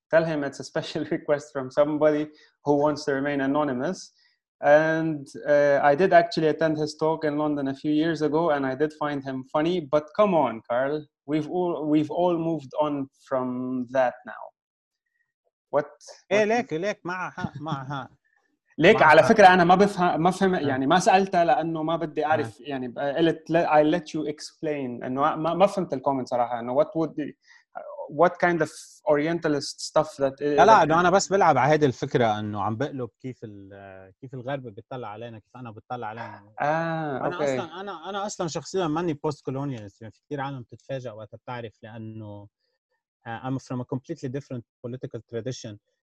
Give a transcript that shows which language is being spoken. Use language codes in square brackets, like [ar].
[en] Tell him it's a special request from somebody who wants to remain anonymous. And I did actually attend his talk in London a few years ago and I did find him funny, but come on Carl, we've all moved on from that now. What [ar] ايه ليك معها ليك على فكرة أنا ما فهم يعني ما سألتها لأنه ما بدي أعرف يعني قلت [en] I let you explain [ar] إنه ما فهمت الكومنت صراحة إنه [en] what would what kind of orientalist stuff that [ar] لا لا انه انا بس بلعب على هذه الفكره انه عم بقلب كيف الغرب بيطلع علينا كيف انا بتطلع علينا اوكي انا اصلا شخصيا ماني بوست كولونيالست يعني في كثير عالم بتتفاجئ وقت بتعرف لانه [en] I'm from a completely different political tradition